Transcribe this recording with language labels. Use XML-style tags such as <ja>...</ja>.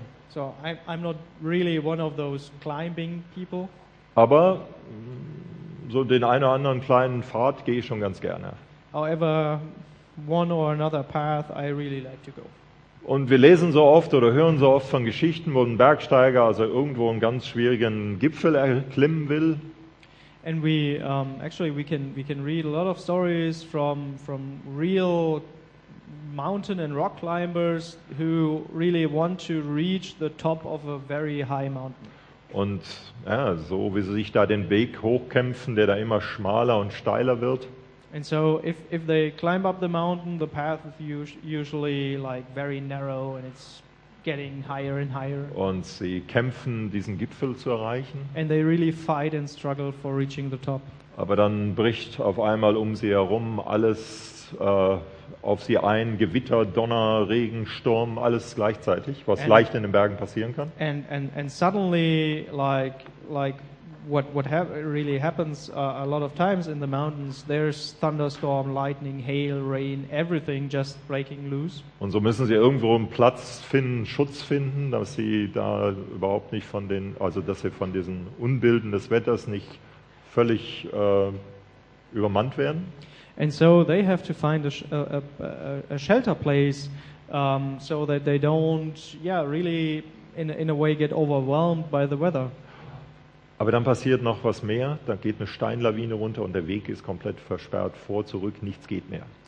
<en>So I'm not really one of those climbing people.</en> <de>Aber so den einen oder anderen kleinen Pfad gehe ich schon ganz gerne.</de> <en>However, one or another path I really like to go.</en> <de>Und wir lesen so oft oder hören so oft von Geschichten, wo ein Bergsteiger also irgendwo einen ganz schwierigen Gipfel erklimmen will.</de> <en>And we actually we can read a lot of stories from real mountain and rock climbers who really want to reach the top of a very high mountain.</en> <de>Und ja, so wie sie sich da den Weg hochkämpfen, der da immer schmaler und steiler wird.</de> <en>And so if they climb up the mountain, the path is usually like very narrow and it's getting higher and higher.</en> <de>Und sie kämpfen, diesen Gipfel zu erreichen.</de> <en>And they really fight and struggle for reaching the top.</en> <de>Aber dann bricht auf einmal um sie herum alles auf sie ein, Gewitter, Donner, Regen, Sturm, alles gleichzeitig, was</de> <en>and,</en> <de>leicht in den Bergen passieren kann.</de> <en>And suddenly, like what really happens a lot of times in the mountains, there's thunderstorm, lightning, hail, rain, everything just breaking loose.</en> <de>Und so müssen sie irgendwo einen Platz finden, Schutz finden, dass sie da überhaupt nicht von den, also dass sie von diesen Unbilden des Wetters nicht völlig übermannt werden.</de> <en>And so they have to find a shelter place so that they don't really in a way get overwhelmed by the weather.</en> <de>Aber dann passiert noch was mehr, dann geht eine Steinlawine runter und der Weg ist komplett versperrt, vor, zurück, nichts geht mehr.</de>